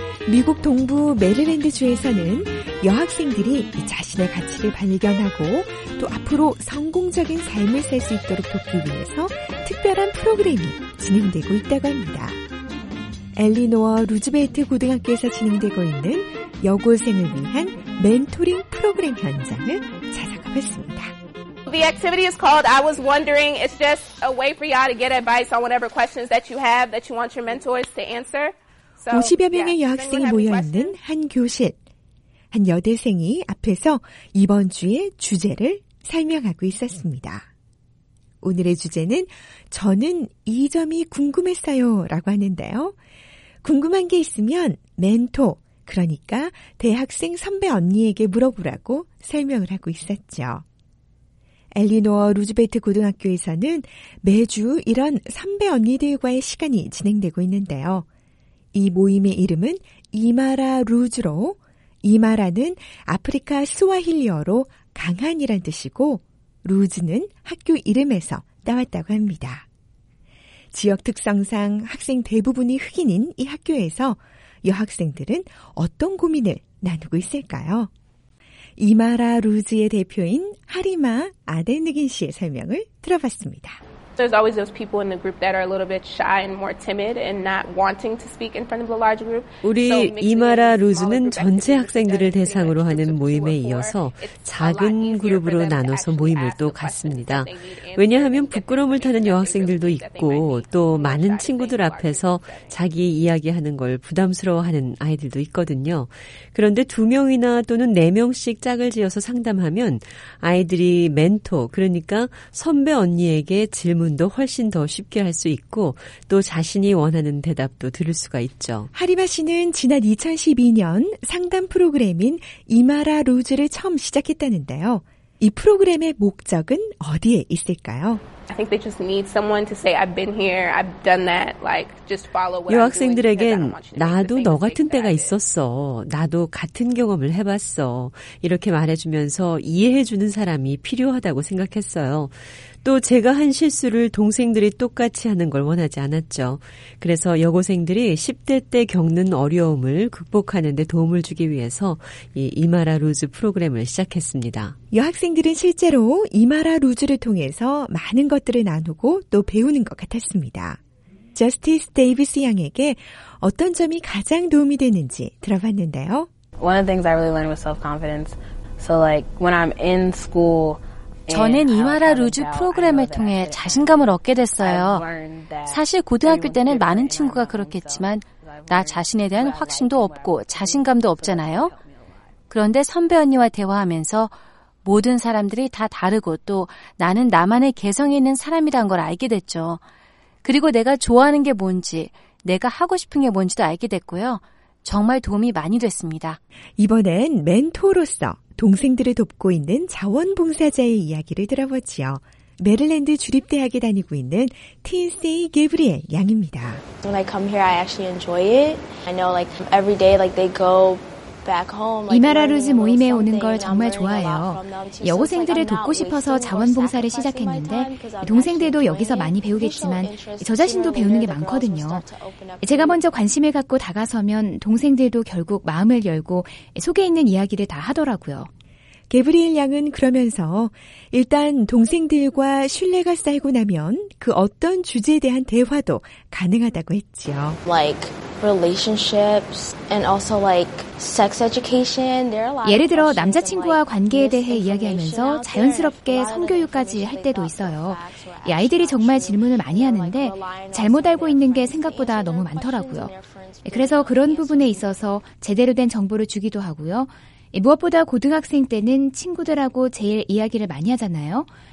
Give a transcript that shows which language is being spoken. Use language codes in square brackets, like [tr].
[ko] 미국 동부 메릴랜드주에서는 여학생들이 자신의 가치를 발견하고 또 앞으로 성공적인 삶을 살 수 있도록 돕기 위해서 특별한 프로그램이 진행되고 있다고 합니다. 엘리노어 루즈벨트 고등학교에서 진행되고 있는 여고생을 위한 멘토링 프로그램 현장을 찾아가봤습니다. [en] The activity is called I Was Wondering. It's just a way for y'all to get advice on whatever questions that you have that you want your mentors to answer. [ko] So, 50여 명의 여학생이 모여있는 한 교실. 한 여대생이 앞에서 이번 주의 주제를 설명하고 있었습니다. 오늘의 주제는 저는 이 점이 궁금했어요 라고 하는데요. 궁금한 게 있으면 멘토, 그러니까 대학생 선배 언니에게 물어보라고 설명을 하고 있었죠. 엘리노어 루즈벨트 고등학교에서는 매주 이런 선배 언니들과의 시간이 진행되고 있는데요. 이 모임의 이름은 이마라 루즈로, 이마라는 아프리카 스와힐리어로 강한이란 뜻이고 루즈는 학교 이름에서 따왔다고 합니다. 지역 특성상 학생 대부분이 흑인인 이 학교에서 여학생들은 어떤 고민을 나누고 있을까요? 이마라 루즈의 대표인 하리마 아데느긴 씨의 설명을 들어봤습니다. [en] There's always those people in the group that are a little bit shy and more timid and not wanting to speak in front of the large group. [ko] 우리 이마라 루즈는 전체 학생들을 대상으로 하는 모임에 이어서 작은 그룹으로 나눠서 모임을 또 갔습니다. 왜냐하면 부끄러움을 타는 여학생들도 있고 또 많은 친구들 앞에서 자기 이야기하는 걸 부담스러워하는 아이들도 있거든요. 그런데 두 명이나 또는 네 명씩 짝을 지어서 상담하면 아이들이 멘토, 그러니까 선배 언니에게 질문도 훨씬 더 쉽게 할 수 있고 또 자신이 원하는 대답도 들을 수가 있죠. 하리마 씨는 지난 2012년 상담 프로그램인 이마라 루즈를 처음 시작했다는데요. 이 프로그램의 목적은 어디에 있을까요? [en] I think they just need someone to say I've been here, I've done that, like just follow. [ko] 여학생들에겐 나도 너 같은 때가 있었어, 나도 같은 경험을 해봤어 이렇게 말해주면서 이해해주는 사람이 필요하다고 생각했어요. 또 제가 한 실수를 동생들이 똑같이 하는 걸 원하지 않았죠. 그래서 여고생들이 10대 때 겪는 어려움을 극복하는 데 도움을 주기 위해서 이 이마라 루즈 프로그램을 시작했습니다. 여학생들은 실제로 이마라 루즈를 통해서 많은 것들을 나누고 또 배우는 것 같았습니다. 저스티스 데이비스 양에게 어떤 점이 가장 도움이 되는지 들어봤는데요. [en] One of the things I really learned was self-confidence. So like when I'm in school, [ko] 저는 이마라 루즈 프로그램을 통해 자신감을 얻게 됐어요. 사실 고등학교 때는 많은 친구가 그렇겠지만 나 자신에 대한 확신도 없고 자신감도 없잖아요. 그런데 선배 언니와 대화하면서 모든 사람들이 다 다르고 또 나는 나만의 개성이 있는 사람이란 걸 알게 됐죠. 그리고 내가 좋아하는 게 뭔지, 내가 하고 싶은 게 뭔지도 알게 됐고요. 정말 도움이 많이 됐습니다. 이번엔 멘토로서 동생들을 돕고 있는 자원봉사자의 이야기를 들어보지요. 메릴랜드 주립대학에 다니고 있는 틴세이 게브리엘 양입니다. [en] When I come here, I actually enjoy it. I know, like every day, like they go back home. [ko] 이마라루즈 모임에 오는 걸 정말 좋아해요. 여고생들을 돕고 싶어서 자원봉사를 시작했는데 동생들도 여기서 많이 배우겠지만 저 자신도 배우는 게 많거든요. 제가 먼저 관심을 갖고 다가서면 동생들도 결국 마음을 열고 속에 있는 이야기를 다 하더라고요. 게브리엘 양은 그러면서 일단 동생들과 신뢰가 쌓이고 나면 그 어떤 주제에 대한 대화도 가능하다고 했죠. [en] Like relationships and also like sex education. [ko] 예를 들어 남자친구와 관계에 대해 이야기하면서 자연스럽게 성교육까지 할 때도 있어요. 이 아이들이 정말 질문을 많이 하는데 잘못 알고 있는 게 생각보다 너무 많더라고요. 그래서 그런 부분에 있어서 제대로 된 정보를 주기도 하고요. 무엇보다 고등학생 때는 친구들하고 제일 이야기를 많이 하잖아요.